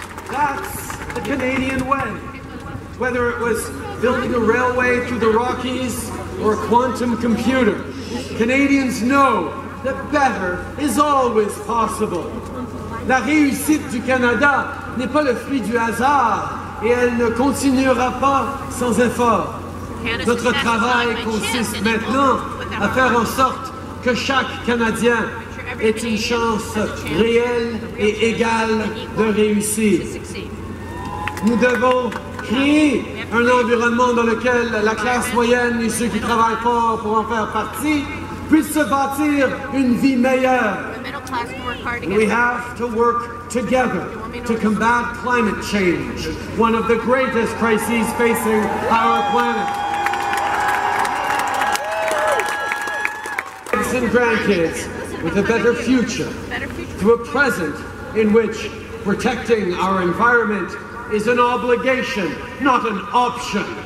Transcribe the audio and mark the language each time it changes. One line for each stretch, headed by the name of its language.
English: That's the Canadian way. Whether it was building a railway through the Rockies or a quantum computer, Canadians know the better is always possible.
French: La réussite du Canada n'est pas le fruit du hasard et elle ne continuera pas sans effort. Notre travail consiste maintenant à faire en sorte que chaque Canadien ait une chance réelle et égale de réussir. Nous devons créer un environnement dans lequel la classe moyenne et ceux qui travaillent fort pour en faire partie puissent se bâtir une vie meilleure.
English: We have to work together to combat climate change, one of the greatest crises facing our planet. Kids and grandkids with a better future, through a present in which protecting our environment is an obligation, not an option.